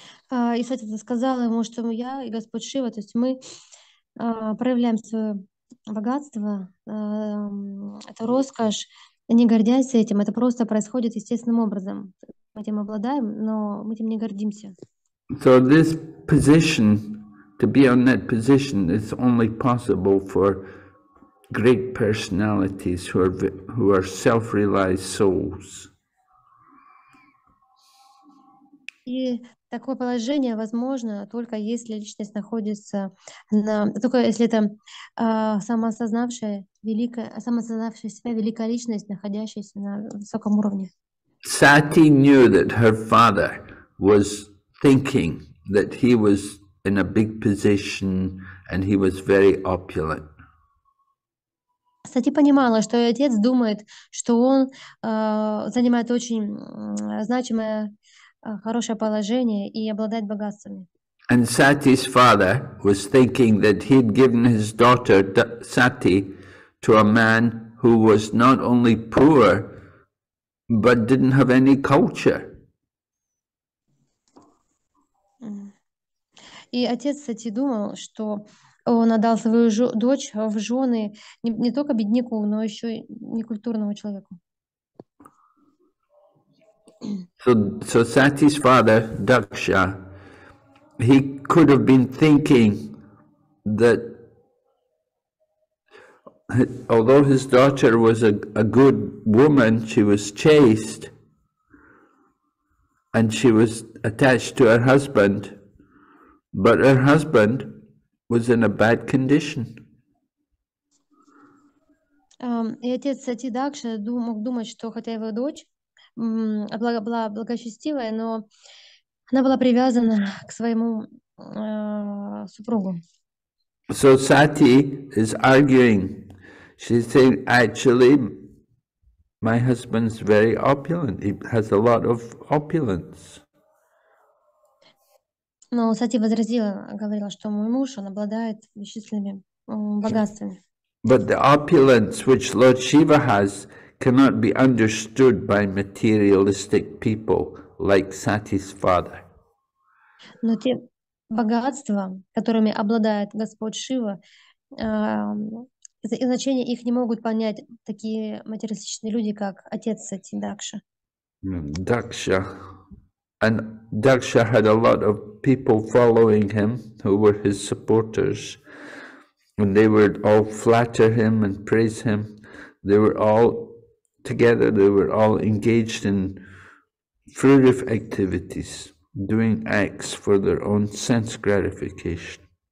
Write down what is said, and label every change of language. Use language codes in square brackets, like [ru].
[ru] И Сати сказала ему, что я и Господь Шива, то есть мы проявляем свое богатство, это роскошь, не гордясь этим, это просто происходит естественным образом. Мы этим обладаем, но мы этим не гордимся. [en] So this position, to be on that position, is only possible for great personalities who are self-realized souls. [ru] И такое положение возможно только если личность находится на только если это самоосознавшая себя великая личность, находящаяся на высоком уровне. [en] Sati knew that her father was thinking that he was in a big position and he was very opulent. [ru] Сати понимала, что ее отец думает, что он занимает очень значимое хорошее положение и обладает богатствами. [en] And Sati's father was thinking that he'd given his daughter Sati to a man who was not only poor, but didn't have any culture. [ru] И отец, кстати, думал, что он отдал свою дочь в жены не только бедняку, но еще и некультурному человеку. [en] So Sati's father, Daksha, he could have been thinking that although his daughter was a good woman, she was chaste and she was attached to her husband, but her husband was in a bad condition. [ru] И отец Сати Дакша мог думать, что хотя его дочь была благочестивая, но она была привязана к своему супругу. [en] So Sati is arguing. She's saying, actually, my husband's very opulent. He has a lot of opulence. [ru] Но Сати возразила, говорила, что мой муж, он обладает бесчисленными богатствами. [en] But the opulence which Lord Shiva has cannot be understood by materialistic people like Sati's father. [ru] Но те богатства, которыми обладает Господь Шива, и значение их не могут понять такие материалистичные люди, как отец Сати, Дакша. Дакша. [en] And Дакша had a lot of people following him who were his supporters. And they would all flatter him and praise him. They were all together, they were all engaged in fruitive activities, doing acts for their own sense gratification.